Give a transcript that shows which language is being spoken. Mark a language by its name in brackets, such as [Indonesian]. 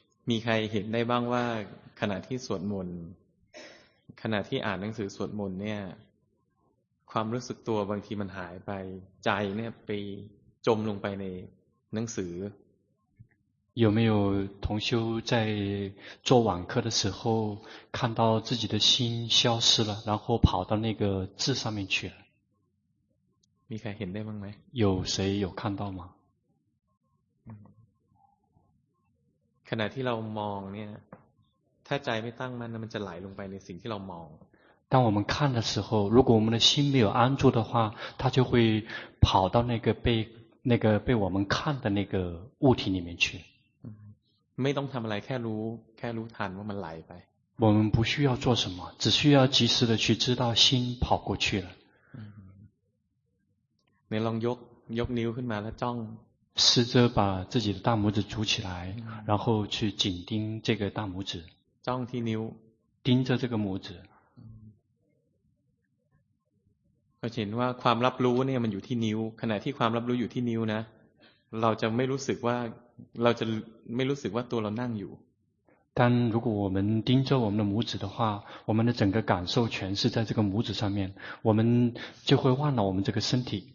[Thai] มีใครเห็นได้บ้างว่าขณะที่สวดมนต์ขณะที่อ่านหนังสือสวดมนต์เนี่ย ความรู้สึกตัวบางทีมันหายไปใจเนี่ยไปจมลงไปในหนังสือ [Chinese] 有没有同修在做网课的时候看到自己的心消失了然后跑到那个字上面去了 [Thai] มีใครเห็นได้บ้างไหม [Chinese] 有谁有看到吗 [Thai] ขณะที่เรามองเนี่ยถ้าใจไม่ตั้งมันมันจะไหลลงไปในสิ่งที่เรามอง [Chinese] 当我们看的时候如果我们的心没有安住的话它就会跑到那个被那个被我们看的那个物体里面去 [Thai] ไม่ต้องทำอะไรแค่รู้ทันว่ามันไหลไป [Chinese] 我们不需要做什么只需要及时的去知道心跑过去了 [Thai] 你ลองยกนิ้วขึ้นมาแล้วจ้อง [Chinese] 试着把自己的大拇指煮起来然后去紧盯这个大拇指 [Thai] จ้องที่นิ้ว [Chinese] 盯着这个拇指 [Thai] ก็เห็นว่าความรับรู้เนี่ยมันอยู่ที่นิ้วขณะที่ความรับรู้อยู่ที่นิ้วนะเราจะไม่รู้สึกว่าเราจะไม่รู้สึกว่าตัวเรานั่งอยู่ [Chinese] 但如果我们盯着我们的拇指的话我们的整个感受全是在这个拇指上面我们就会忘了我们这个身体